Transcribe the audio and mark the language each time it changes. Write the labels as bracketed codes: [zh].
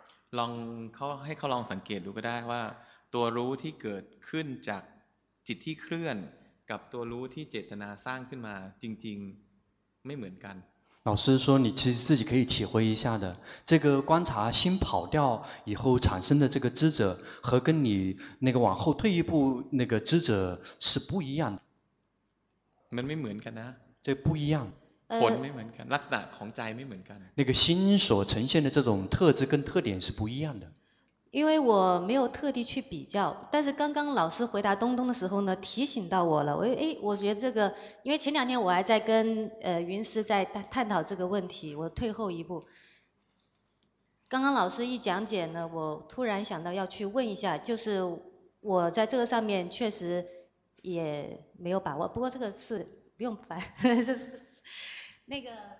[zh] 让他 [th] ให้เขาลองสังเกตดูก็ได้ว่าตัวรู้ที่เกิดขึ้นจากจิตที่เคลื่อนกับตัวรู้ที่เจตนาสร้างขึ้นมาจริงๆไม่เหมือนกัน [zh] 老师说你其实自己可以体会一下的这个观察心跑掉以后产生的这个知者和跟你那个往后退一步那个知者是不一样的 [th] มันไม่เหมือนกันนะ [zh] 这不一样 [th] ผลไม่เหมือนกันลักษณะของใจไม่เหมือนกัน [zh] 那个心所呈现的这种特质跟特点是不一样的因为我没有特地去比较但是刚刚老师回答东东的时候呢提醒到我了 我觉得这个因为前两天我还在跟云师在探讨这个问题我退后一步刚刚老师一讲解呢我突然想到要去问一下就是我在这个上面确实也没有把握不过这个是不用烦那个